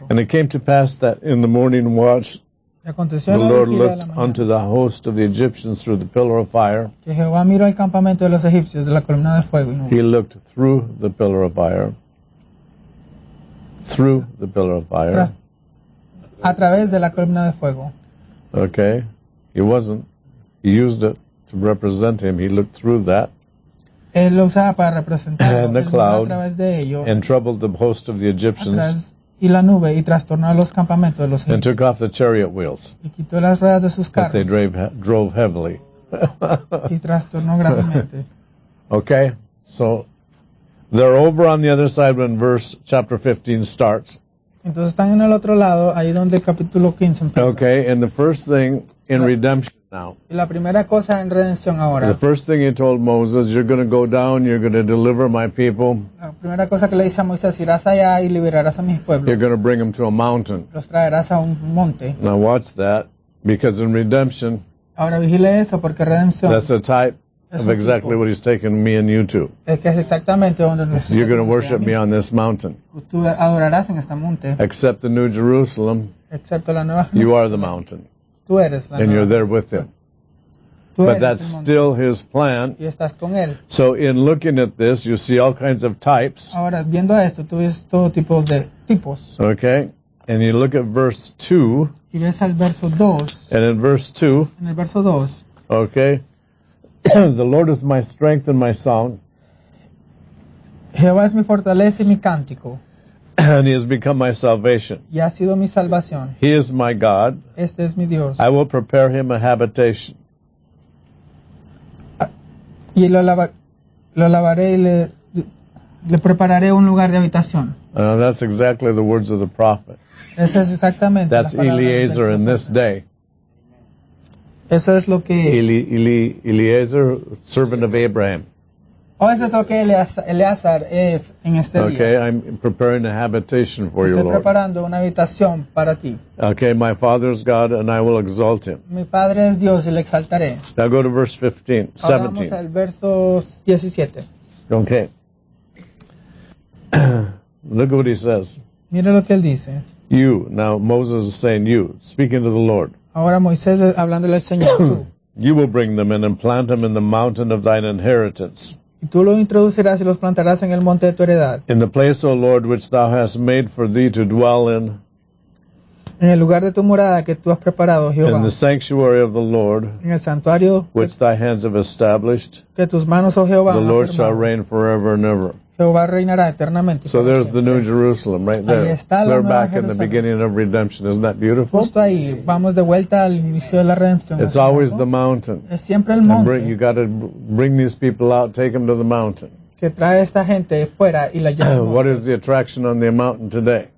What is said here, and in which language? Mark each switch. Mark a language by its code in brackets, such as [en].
[en] And it came to pass that in the morning watch, the Lord looked unto the host of the Egyptians through the pillar of fire. [es] Que Jehová miró el campamento de los egipcios de la columna de fuego. [en] He looked through the pillar of fire. Through the pillar of fire. [es] A través de la columna de fuego. [en] Okay. He wasn't. He used it to represent him. He looked through that. [es] Él lo usaba para representar [en] and the cloud [es] a de ello, [en] and troubled the host of the Egyptians [es] y la nube, y trastornó los campamentos de los [en] and took off the chariot wheels [es] y quitó las ruedas de sus carros, [en] that they drove heavily. [es] Y trastornó gravemente. [en] Okay, so they're over on the other side when verse chapter 15 starts. [es] Entonces están en el otro lado, ahí donde el capítulo 15 empieza. [en] Okay, and the first thing in redemption. Now, [es] y la primera cosa en redención ahora. [en] The first thing he told Moses, you're going to go down, you're going to deliver my people. [es] La primera cosa que le dice a Moisés, irás allá y liberarás a mi pueblo. [en] You're going to bring them to a mountain. [es] Los traerás a un monte. [en] Now watch that, because in redemption, [es] ahora vigile eso porque redención, [en] that's a type of exactly [es] tipo. [en] What he's taken me and you to. [es] Es que es exactamente donde nos [en] you're going to worship me on this mountain. [es] Tú adorarás en este monte. [en] Except the New Jerusalem, [es] excepto la nueva [en] you are the mountain. [es] Tú eres la [en] and you're there with him. [es] Tú [en] but that's still his plan. [es] Y estás con él. [en] So in looking at this, you see all kinds of types. [es] Ahora, viendo esto, tú ves todo tipo de tipos. [en] Okay. And you look at verse 2. [es] Y ves al verso 2. [en] And in verse 2. [es] En el verso 2. [en] Okay. The Lord is my strength and my song. [es] Jehová es mi fortaleza y mi cántico. [en] And he has become my salvation. [es] Y ha sido mi salvación. [en] He is my God. [es] Este es mi Dios. [en] I will prepare him a habitation. [es] Y lo lavaré y le prepararé un lugar de habitación. [en] That's exactly the words of the prophet. [es] Eso es exactamente. [en] That's Eliezer in this day. [es] Eso es lo que. [en] Eliezer, servant of Abraham. [es] Oh, eso es lo que Eleazar es en este día. [en] Okay, I'm preparing a habitation for [es] Estoy [en] you, Lord. [es] Estoy preparando una habitación para ti. [en] Okay, my father is God and I will exalt him. [es] Mi padre es Dios y le exaltaré. [en] Now go to verse 17. [es] Ahora vamos al verso 17. [en] Okay. Look what he says. [es] Mira lo que él dice. [en] You, now Moses is saying you, speaking to the Lord. [es] Ahora Moisés hablándole al Señor. [en] You will bring them in and plant them in the mountain of thine inheritance. [es] Y tú lo introducirás y los plantarás en el monte de tu heredad. [en] In the place, O Lord, which thou hast made for thee to dwell in. [es] En el lugar de tu morada que tú has preparado, Jehová. [en] In the sanctuary of the Lord. [es] En el santuario. [en] Which thy hands have established. [es] Que tus manos, oh Jehová, [en] the Lord shall reign forever and ever. [es] Jehová reinará eternamente. [en] So there's the New Jerusalem right there. [es] Ahí está la Nueva Jerusalén. [en] Back in the beginning of redemption. Isn't that beautiful? [es] Justo ahí. Vamos de vuelta al inicio de la redención. [en] It's always the mountain. [es] Es siempre el monte. [en] And you got to bring these people out, take them to the mountain. [es] Que trae esta gente fuera y la lleva. [en] What is the attraction on the mountain today?